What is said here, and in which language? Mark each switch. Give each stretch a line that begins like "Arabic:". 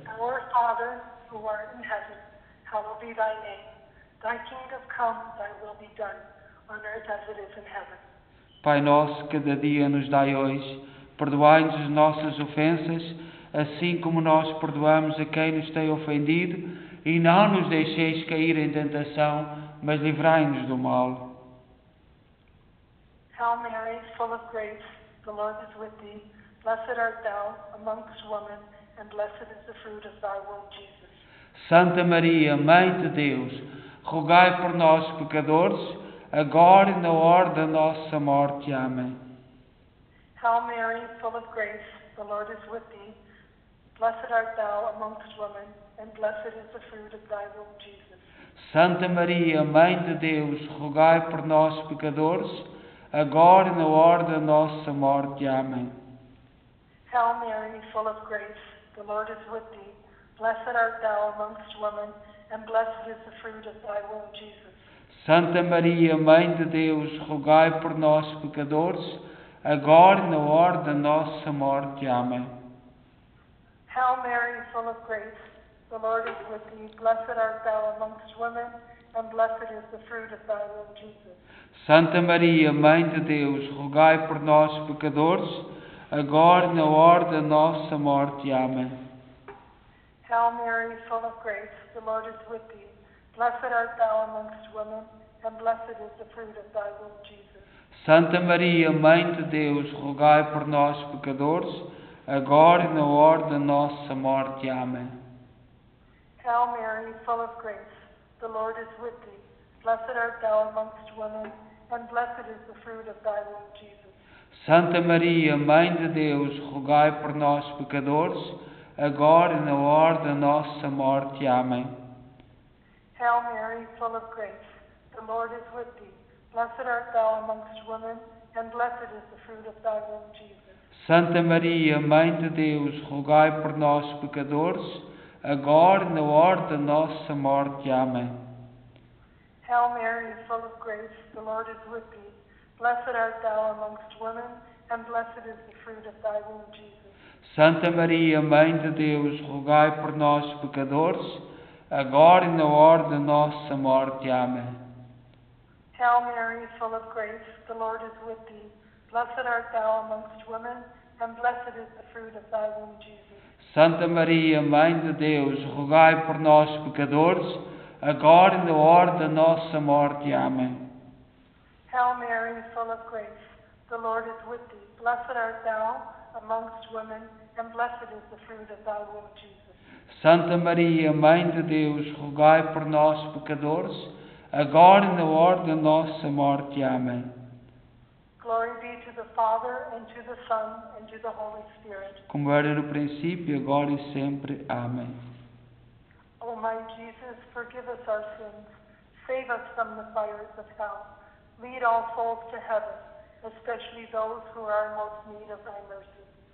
English: Our Father, who art in heaven, hallowed be thy name. Thy kingdom come, thy will be done, on earth as it is in heaven.
Portuguese: Pai nosso, cada dia nos dai hoje, perdoai-nos as nossas ofensas, assim como nós perdoamos a quem nos tem ofendido, e não nos deixeis cair em tentação, mas livrai-nos do mal.
English: Hail Mary, full of grace, the Lord is with thee. Blessed art thou amongst women, and blessed is the fruit of thy womb, Jesus.
Portuguese: Santa Maria, Mãe de Deus, rogai por nós, pecadores, agora e na hora da nossa morte. Amém.
English: Hail Mary, full of grace, the Lord is with thee. Blessed art thou amongst women, and blessed is the fruit of thy womb, Jesus.
Portuguese: Santa Maria, Mãe de Deus, rogai por nós, pecadores, agora e na hora da nossa morte. Amém.
English: Hail Mary, full of grace, the Lord is with thee. Blessed art thou amongst women, and blessed is the fruit of thy womb, Jesus.
Portuguese: Santa Maria, Mãe de Deus, rogai por nós, pecadores, agora e na hora da nossa morte. Amém.
English: Hail Mary, full of grace, the Lord is with thee. Blessed art thou amongst women, and blessed is the fruit of thy womb, Jesus.
Portuguese: Santa Maria, Mãe de Deus, rogai por nós, pecadores, agora e na hora da nossa morte. Amém.
English: Hail Mary, full of grace, the Lord is with thee. Blessed art thou amongst women, and blessed is the fruit of thy womb, Jesus.
Portuguese: Santa Maria, Mãe de Deus, rogai por nós, pecadores, agora e na hora da nossa morte. Amém.
English: Hail Mary, full of grace, the Lord is with thee. Blessed art thou amongst women, and blessed is the fruit of thy womb, Jesus.
Portuguese: Santa Maria, Mãe de Deus, rogai por nós, pecadores, agora e na hora da nossa morte. Amém.
English: Hail Mary, full of grace, the Lord is with thee. Blessed art thou amongst women, and blessed is the fruit of thy womb, Jesus.
Portuguese: Santa Maria, Mãe de Deus, rogai por nós, pecadores, agora e na hora da nossa morte. Amém.
English: Hail Mary, full of grace, the Lord is with thee. Blessed art thou amongst women, and blessed is the fruit of thy womb, Jesus.
Portuguese: Santa Maria, Mãe de Deus, rogai por nós, pecadores, agora e na hora da nossa morte. Amém.
English: Hail Mary, full of grace, the Lord is with thee. Blessed art thou amongst women, and blessed is the fruit of thy womb, Jesus.
Portuguese: Santa Maria, Mãe de Deus, rogai por nós, pecadores, agora e na hora da nossa morte. Amém.
English: Hail Mary, full of grace, the Lord is with thee. Blessed art thou amongst women, and blessed is the fruit of thy womb, Jesus.
Portuguese: Santa Maria, Mãe de Deus, rogai por nós, pecadores, agora e na hora da nossa morte. Amém.
English: Glory be to the Father, and to the Son, and to the Holy Spirit.
Portuguese: Como era no princípio, agora e sempre. Amém.
English: O my Jesus, forgive us our sins. Save us from the fires of hell. Lead all souls to heaven, especially those who are in most need of thy mercy.